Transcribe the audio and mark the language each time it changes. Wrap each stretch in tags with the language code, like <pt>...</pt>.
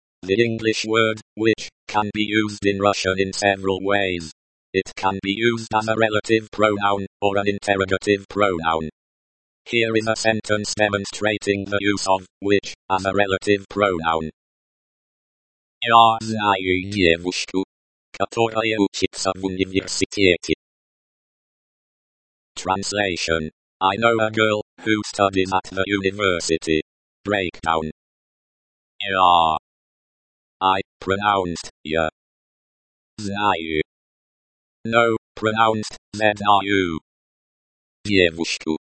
<en>The English word, which, can be used in Russian in several ways. It can be used as a relative pronoun, or an interrogative pronoun. Here is a sentence demonstrating the use of, which, as a relative pronoun.</en> <ru>Я знаю девушку, которая учится в университете.</ru> <en>Translation. I know a girl, who studies at the university. Breakdown. Я. I, pronounced, я. Знаю. No, pronounced, знаю. Девушку.</en>